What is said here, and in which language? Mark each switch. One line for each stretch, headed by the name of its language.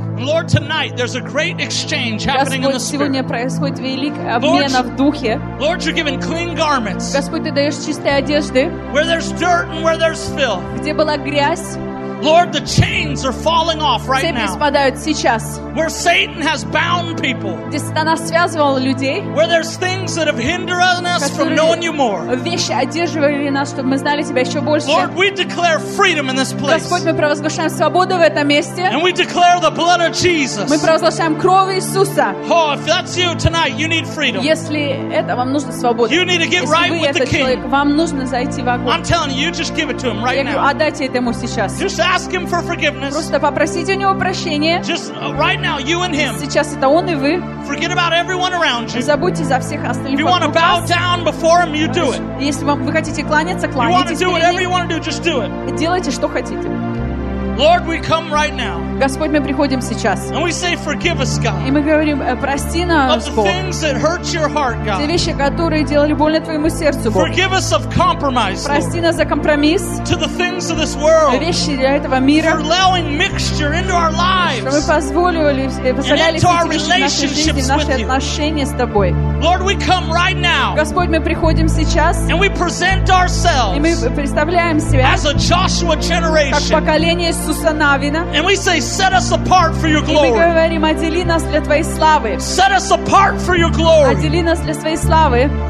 English: Lord, tonight there's a great exchange happening in the spirit.
Russian: Сегодня происходит великий обмен в духе.
English: Lord, you're giving clean garments.
Russian: Господь, ты даешь чистые одежды.
English: Where there's dirt and where there's filth.
Russian: Где была грязь.
English: Lord, the chains are falling off right now.
Russian: Цепи спадают сейчас.
English: Where Satan has bound people.
Russian: Где сатана связывал людей.
English: Where there's things that have hindered us from knowing you more.
Russian: Вещи одерживали нас, чтобы мы знали тебя еще больше.
English: Lord, we declare freedom in this place.
Russian: Господь, мы провозглашаем свободу в этом месте.
English: And we declare the blood of Jesus.
Russian: Мы провозглашаем кровь Иисуса.
English: Oh, if that's you tonight, you need freedom.
Russian: Если это вам нужна свобода.
English: You need to get right with the King.
Russian: Вам нужно зайти в огонь.
English: I'm telling you, you just give it to Him right now.
Russian: Отдайте этому сейчас.
English: Just ask him for forgiveness.
Russian: Просто попросите у него прощения.
English: Just right now, you and him.
Russian: Сейчас это он и вы.
English: Forget about everyone around you.
Russian: Забудьте за всех остальных.
English: If you want to bow down before him, you do it.
Russian: Если вам вы хотите кланяться, кланяйтесь.
English: You want to do whatever you want to do, just do it.
Russian: Делайте, что хотите.
English: Lord, we come right now.
Russian: Господь, мы приходим сейчас.
English: And we say, "Forgive us, God."
Russian: И мы говорим, прости нас, Бог.
English: Of the things that hurt your heart, God.
Russian: Те вещи, которые делали больно твоему сердцу, Бог.
English: Forgive us of compromise.
Russian: Прости нас за компромисс.
English: To the things of this world.
Russian: Вещи для этого мира.
English: For allowing mixture into our lives.
Russian: Что мы позволяли, позволяли
English: into our relationships
Russian: наши отношения с тобой.
English: Lord, we come right now.
Russian: Господь, мы приходим сейчас.
English: And we present ourselves.
Russian: И мы представляем себя.
English: As a Joshua generation.
Russian: Как поколение.
English: And we say, set us apart for your glory.
Russian: И мы говорим, отдели нас для твоей славы.
English: Set us apart for your glory.
Russian: Отдели нас для твоей славы.